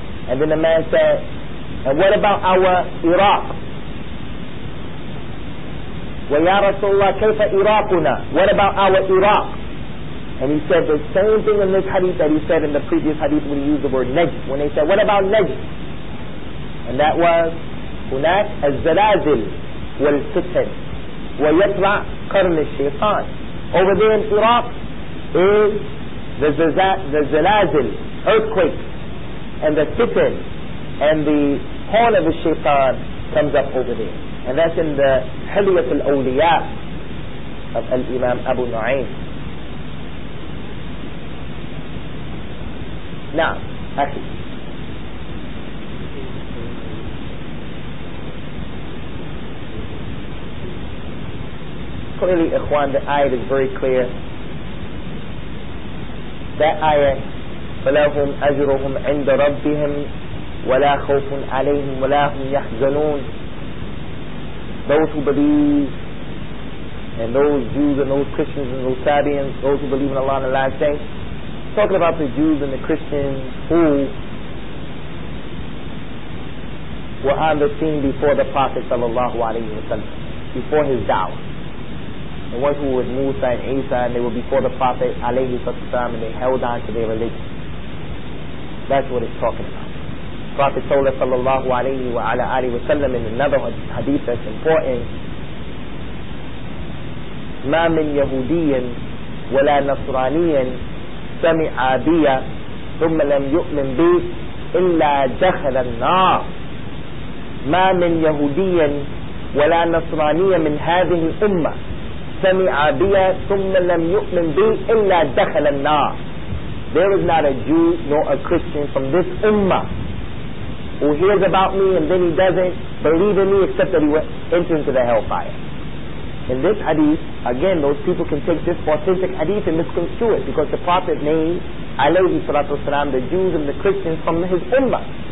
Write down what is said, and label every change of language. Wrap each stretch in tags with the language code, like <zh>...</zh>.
<en>And then the man said, and what about our Iraq?</en> <ar>Wa ya Rasulullah kayfa Iraquna?</ar> <en>What about our Iraq? And he said the same thing in this hadith that he said in the previous hadith when he used the word Najd. When they said, what about Najd? And that was,</en> <ar>هناك الزلازل والفتن ويطلع قرن الشيطان.</ar> <en>Over there in Iraq is the zalazil, earthquake, and the fitan, and the horn of the shaitan comes up over there. And that's in the Hilyat al-Awliya of Al-Imam Abu Nu'aym. Now, Akhi. Clearly, Ikhwan, the ayat is very clear. That ayat,</en> <ar>فَلَهُمْ أَجْرُهُمْ عِنْدَ رَبِّهِمْ وَلَا خَوْفٌ عَلَيْهِمْ وَلَا هُمْ يَحْزَنُونَ.</ar> <en>Those who believe, and those Jews and those Christians and those Sabians, those who believe in Allah and the last day, talking about the Jews and the Christians who were on the scene before the Prophet</en> <ar>sallallahu alayhi wa sallam,</ar> <en>before his da'wah, the ones who were with Musa and Isa, and they were before the Prophet alayhi sallam, and they held on to their religion. That's what it's talking about. Prophet told us sallallahu alayhi wa ala alayhi wa sallam in another hadith that's important,</en> <ar>مَا مِنْ يَهُودِيًا وَلَا نَصْرَانِيًا سَمِعَ بِيَا ثُمَّ لَمْ يُؤْمِنْ بِي إِلَّا دَخَلَ النَّارِ مَا مِنْ يَهُودِيًا وَلَا نَصْرَانِيًا مِنْ هَذِهِ الْأُمَّةِ سَمِعَ بِيَا ثُمَّ لَمْ يُؤْمِنْ بِي إِلَّا دَخَلَ النَّارِ.</ar> <en>There is not a Jew nor a Christian from this ummah who hears about me and then he doesn't believe in me except that he went into the hellfire. In this hadith, again, those people can take this authentic hadith and misconstrue it, because the Prophet named</en> <ar>alayhi salatu wasalam</ar> <en>the Jews and the Christians from his ummah.</en>